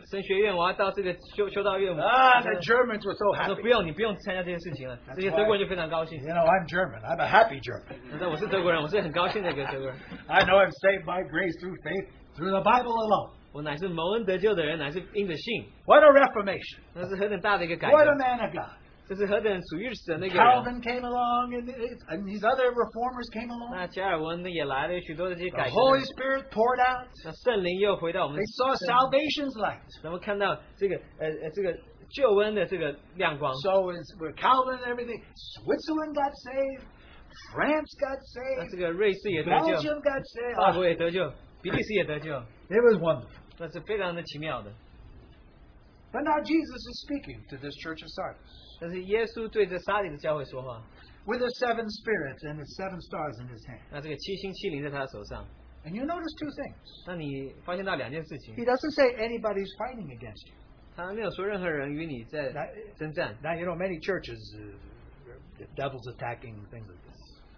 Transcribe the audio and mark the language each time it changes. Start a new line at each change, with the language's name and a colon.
Chinese: 那他们说，哇，我得救，我现在要到这个神学院，我要到这个修道院。
English: The Germans were so happy.
Chinese: 不用，你不用参加这些事情了。这些德国人就非常高兴。
English: You know, I'm German. I'm a happy German.
Chinese: 那我是德国人，我是很高兴的一个德国人。
English: I know I'm saved by grace through faith, through the Bible alone.
Chinese: 我乃是蒙恩得救的人，乃是因着信。
English: What a reformation!
Chinese: 那是何等大的一个改革。
English: What a man of God!
Chinese: 这是何等属于神的一个人。
English: Calvin came along, and these other reformers came along.
Chinese: 那加尔文也来了许多的这些改革。
English: The Holy Spirit poured out.
Chinese: 那圣灵又回到我们。
English: They saw salvation's light.
Chinese: 那么看到这个救恩的这个亮光。
English: So is with Calvin and everything, Switzerland got saved, France got saved.
Chinese: 那这个瑞士也得救。
English: Belgium got saved.
Chinese: 法国也得救。比利时也得救,
English: it was wonderful.
Chinese: 那是非常的奇妙的。
English: But now Jesus is speaking to this church of Sardis.
Chinese: 但是耶稣对着撒里的教会说话。
English: With the seven spirits and the seven stars in his hand.
Chinese: 那这个七星七灵在他的手上。
English: And you notice two things.
Chinese: 那你发现到两件事情。
English: He doesn't say anybody's fighting against you.
Chinese: 他没有说任何人与你在征战。
English: Now you know many churches, the devil's attacking things like this.